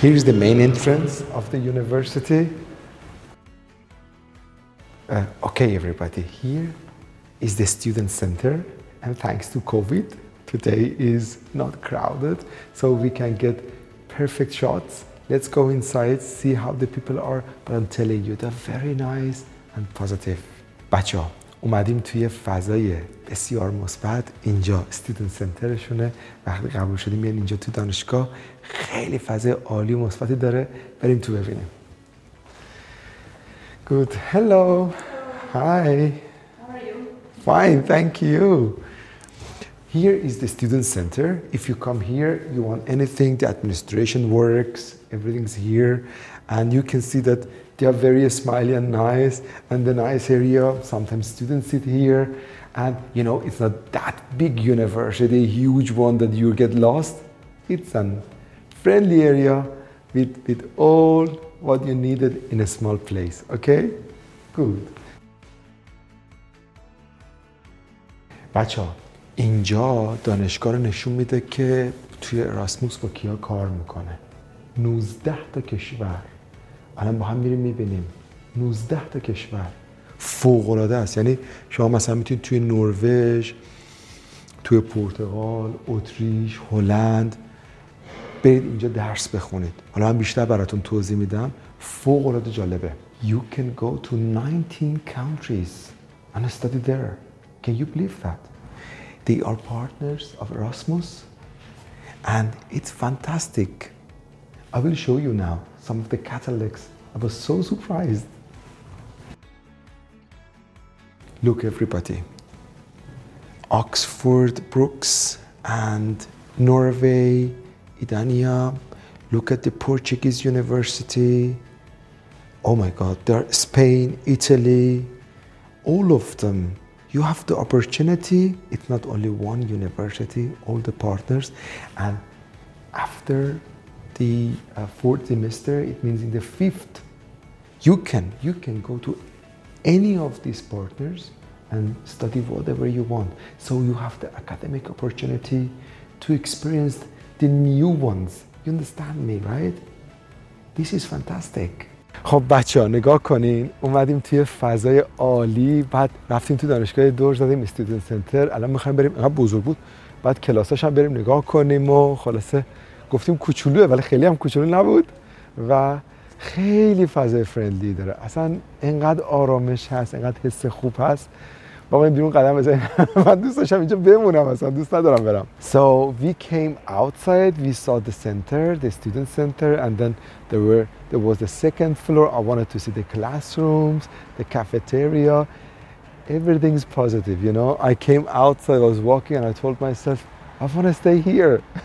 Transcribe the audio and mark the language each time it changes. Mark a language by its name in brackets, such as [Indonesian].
[English] Here is the main entrance of the university. Okay, everybody, here is the student center, and thanks to COVID, today is not crowded, so we can get perfect shots. Let's go inside, see how the people are, but I'm telling you, they're very nice and positive. [Persian] بچه ها, اومدیم توی فضای بسیار مثبت. اینجا student centerشونه. وقتی قبول شدیم بیان اینجا توی دانشگاه, خیلی فضای عالی و مثبتی داره. بریم تو ببینیم. [English] Good, hello. Hello. Hi. How are you? Fine, thank you. Here is the student center. If you come here, you want anything, the administration works, everything's here. And you can see that they are very smiley and nice, and the nice area, sometimes students sit here. And you know, it's not that big university, huge one that you get lost. It's a friendly area with all what you needed in a small place, okay? Good. [Persian] Bacha. اینجا دانشگاه رو نشون میده که توی اراسموس با کیا کار میکنه. 19 تا کشور. الان با هم میریم میبینیم. 19 تا کشور. فوق‌العاده است. یعنی شما مثلا میتونید توی نروژ، توی پرتغال، اتریش، هلند برید اینجا درس بخونید. حالا من بیشتر براتون توضیح میدم. فوق‌العاده جالبه. [English] You can go to 19 countries and study there. Can you believe that? They are partners of Erasmus, and it's fantastic. I will show you now some of the catalogs. I was so surprised. Look, everybody. Oxford Brookes and Norway, Idania. Look at the Portuguese University. Oh my God, there are Spain, Italy, all of them. You have the opportunity, it's not only one university, all the partners. And after the fourth semester, it means in the fifth, you can go to any of these partners and study whatever you want. So you have the academic opportunity to experience the new ones. You understand me, right? This is fantastic. [Persian] خب بچه ها نگاه کنین, اومدیم توی فضای عالی, بعد رفتیم توی دانشگاه دور, زدیم استودنت سنتر, الان میخوایم بریم, اینقدر بزرگ بود, بعد کلاساش هم بریم نگاه کنیم و خلاصه گفتیم کوچولوه ولی خیلی هم کوچولو نبود و خیلی فضای فرندلی داره, اصلا اینقدر آرامش هست, اینقدر حس خوب هست. بابا این بیرون قدم بزنیم, من دوست داشتم اینجا بمونم, اصلا دوست ندارم برم. [English] So we came outside, we saw the center, the student center, and then there was the second floor. I wanted to see the classrooms, the cafeteria, everything's positive, you know. I came outside, I was walking and I told myself, I want to stay here.